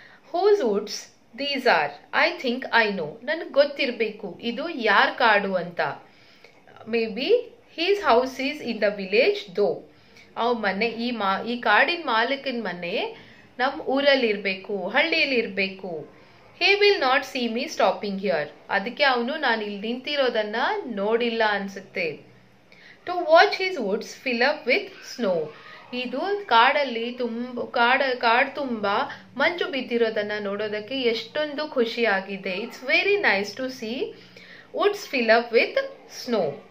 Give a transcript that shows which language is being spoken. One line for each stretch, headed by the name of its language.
English: whose woods these are, I think I know,
Kannada: ನನಗೆ ಗೊತ್ತಿರಬೇಕು ಇದು ಯಾರ ಕಾಡು ಅಂತ.
English: maybe his house is in the village though,
Kannada: ಅವ್ರ ಮನೆ ಈ ಕಾಡಿನ ಮಾಲಕನ ಮನೆ ನಮ್ಮ ಊರಲ್ಲಿರಬೇಕು, ಹಳ್ಳಿಯಲ್ಲಿ ಇರಬೇಕು.
English: He will not see me stopping here.
Kannada: ಅದಕ್ಕೆ ಅವನು ನಾನು ಇಲ್ಲಿ ನಿಂತಿರೋದನ್ನು ನೋಡಿಲ್ಲ ಅನಿಸುತ್ತೆ.
English: to watch his woods fill up with snow,
Kannada: ಇದು ಕಾಡಲ್ಲಿ ತುಂಬ ಕಾಡು ತುಂಬ ಮಂಜು ಬಿದ್ದಿರೋದನ್ನು ನೋಡೋದಕ್ಕೆ ಎಷ್ಟೊಂದು ಖುಷಿಯಾಗಿದೆ.
English: It's very nice to see woods fill up with snow.